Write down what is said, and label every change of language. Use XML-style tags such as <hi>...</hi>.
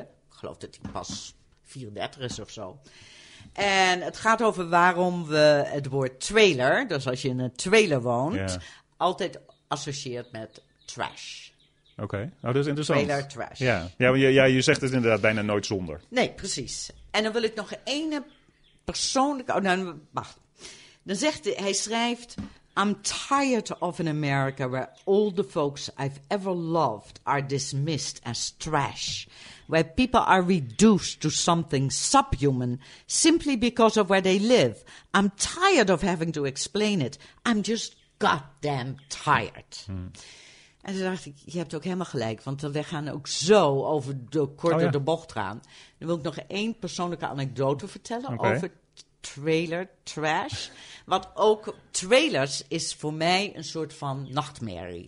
<nl>Ik geloof dat hij pas 34 is of zo. En het gaat over waarom we het woord trailer, dus als je in een trailer woont, altijd associeert met trash. Oké, dat is interessant. Trailer trash. Ja, je zegt het inderdaad bijna nooit zonder. Nee, precies. En dan wil ik nog één persoonlijke... Oh, nou, wacht. Dan zegt hij, schrijft...</nl> <en>I'm tired of an America where all the folks I've ever loved are dismissed as trash. Where people are reduced to something subhuman simply because of where they live. I'm tired of having to explain it. I'm just goddamn tired. Hmm.</en> <nl>En toen dacht ik, je hebt ook helemaal gelijk, want we gaan ook zo over de korte de bocht gaan. Dan wil ik nog één persoonlijke anekdote vertellen over trailer trash. Wat ook trailers is voor mij een soort van nachtmerrie.</nl>